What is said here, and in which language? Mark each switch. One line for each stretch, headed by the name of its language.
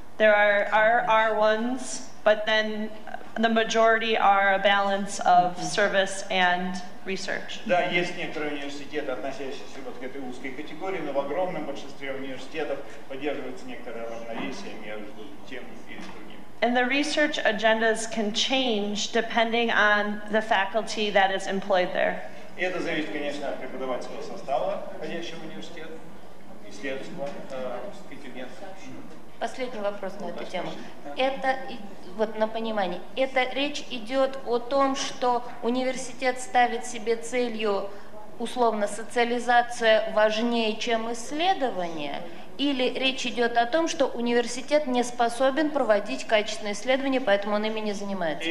English: There are R1s, but then the majority are a balance of service and research.
Russian: Да, есть некоторые университеты, относящиеся вот к этой узкой категории, но в огромном большинстве университетов поддерживается некоторое равновесие между тем и другим.
English: And the research agendas can change depending on the faculty that is employed there.
Russian: И это зависит, конечно, от преподавательского состава, входящего в университет, исследовательского контингента. Последний вопрос на эту тему. Это, вот на понимание, это речь идет о том, что университет ставит себе целью, условно, социализация важнее, чем исследование, или речь идет о том, что университет не способен проводить качественные исследования, поэтому он ими не занимается?